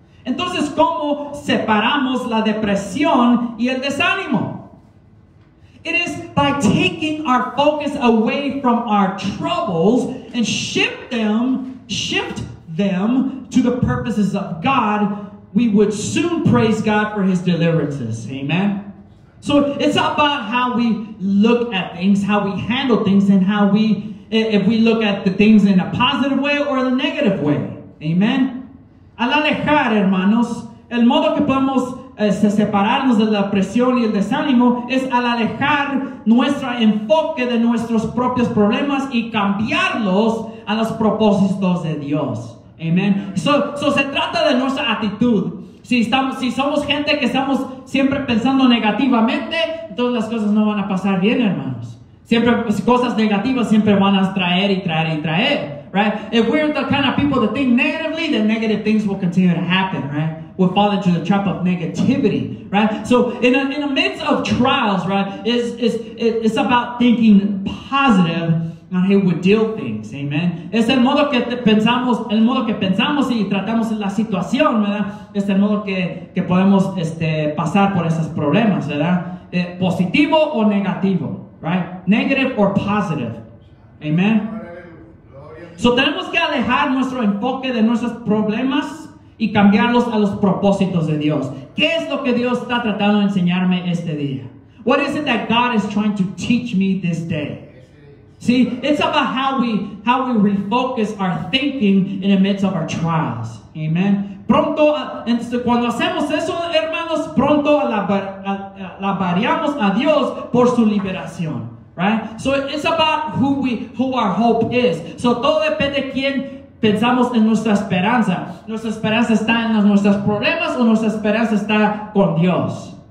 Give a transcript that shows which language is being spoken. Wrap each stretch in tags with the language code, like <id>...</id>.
<es>Entonces, ¿cómo separamos la depresión y el desánimo?</es> <en>It is by taking our focus away from our troubles and shift them to the purposes of God, we would soon praise God for his deliverances. Amen. So it's about how we look at things, how we handle things, and how we, if we look at the things in a positive way or a negative way. Amen.</en> <es>al alejar, hermanos, el modo que podemos separarnos de la presión y el desánimo es al alejar nuestro enfoque de nuestros propios problemas y cambiarlos a los propósitos de Dios. Amén. So se trata de nuestra actitud. Si somos gente que estamos siempre pensando negativamente, entonces las cosas no van a pasar bien, hermanos. Siempre cosas negativas siempre van a traer y traer y traer, right?</es> <en>If we're the kind of people that think negatively, then negative things will continue to happen, right? We'll fall into the trap of negativity, right? So in the midst of trials, right, it's about thinking positive on how we deal things, amen.</en> <es>Es el modo que pensamos y tratamos la situación, ¿verdad? Es el modo que podemos pasar por esos problemas, ¿verdad? Positivo o negativo,</es> <en>right? Negative or positive, amen.</en> <es>So tenemos que alejar nuestro enfoque de nuestros problemas y cambiarlos a los propósitos de Dios. ¿Qué es lo que Dios está tratando de enseñarme este día?</es> <en>What is it that God is trying to teach me this day? See, it's about how we refocus our thinking in the midst of our trials. Amen.</en> <es>Pronto, cuando hacemos eso, hermanos, pronto la variamos a Dios por su liberación. Right?</es> <en>So it's about who our hope is.</en> <es>So todo depende de quién pensamos en nuestra esperanza. ¿Nuestra esperanza está en nuestros problemas o nuestra esperanza está con Dios?</es>